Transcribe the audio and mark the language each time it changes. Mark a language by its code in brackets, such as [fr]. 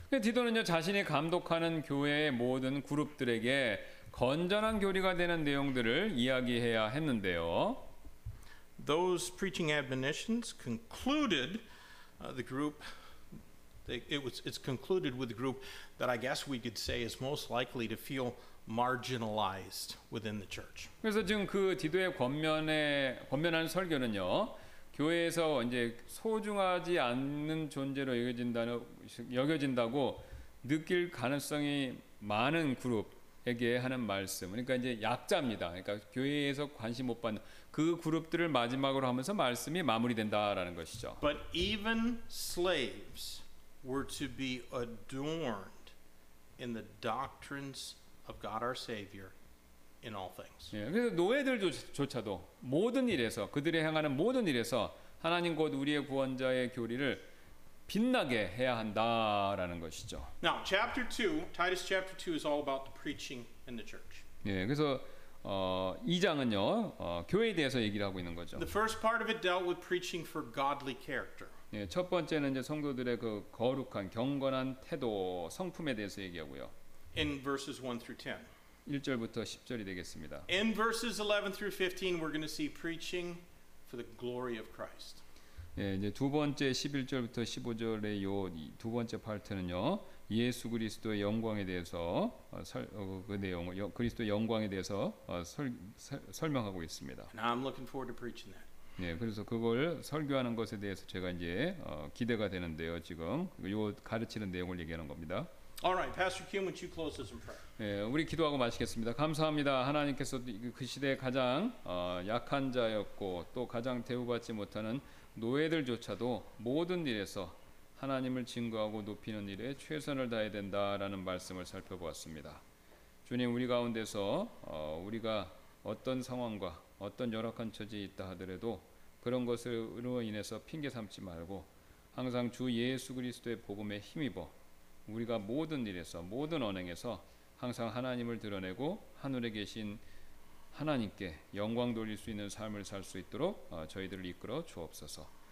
[ko] 디도는요 자신이 감독하는 교회의 모든 그룹들에게 건전한 교리가 되는 내용들을 이야기해야 했는데요. [en] Those preaching admonitions concluded the group. It's concluded with a group that I guess we could say is most likely to feel marginalized within the church. [ko] 그래서 지금 그 디도의 권면하는 설교는요, 교회에서 이제 소중하지 않는 존재로 여겨진다고 느낄 가능성이 많은 그룹에게 하는 말씀. 그러니까 이제 약자입니다. 그러니까 교회에서 관심 못 받는 그 그룹들을 마지막으로 하면서 말씀이 마무리된다라는 것이죠. [en] But even slaves were to be adorned in the doctrines of God our Savior. In all things. [ko] 예, 그래서 노예들조차도 모든 일에서 그들의 행하는 모든 일에서 하나님 곧 우리의 구원자의 교리를 빛나게 해야 한다라는 것이죠. [en] Now, chapter 2, Titus chapter 2 is all about the preaching in the church. [ko] 예, 그래서 2장은요 교회에 대해서 얘기를 하고 있는 거죠. [en] The first part of it dealt with preaching for godly character. [ko] 예, 첫 번째는 이제 성도들의 그 거룩한 경건한 태도 성품에 대해서 얘기하고요. [en] In verses 1 through 10. [ko] 1절부터 10절이 되겠습니다. [en] In verses 11 through 15 we're going to see preaching for the glory of Christ. [ko] 예, 이제 두 번째 11절부터 15절의 요 두 번째 파트는요. 예수 그리스도의 영광에 대해서 그 내용을 그리스도의 영광에 대해서 설명하고 있습니다. [en] And I'm looking forward to preaching that. [ko] 예, 그래서 그걸 설교하는 것에 대해서 제가 이제 기대가 되는데요. 지금 요 가르치는 내용을 얘기하는 겁니다. [en] All right, Pastor Kim, would you close us in prayer? [ko] 예, 우리 기도하고 마치겠습니다. 감사합니다. 하나님께서 그 시대에 가장 약한 자였고 또 가장 대우받지 못하는 노예들조차도 모든 일에서 하나님을 증거하고 높이는 일에 최선을 다해야 된다라는 말씀을 살펴보았습니다. 주님, 우리 가운데서 우리가 어떤 상황과 어떤 열악한 처지에 있다 하더라도 그런 것으로 인해서 핑계 삼지 말고 항상 주 예수 그리스도의 복음에 힘입어 우리가 모든 일에서 모든 언행에서 항상 하나님을 드러내고 하늘에 계신 하나님께 영광 돌릴 수 있는 삶을 살 수 있도록 저희들을 이끌어 주옵소서.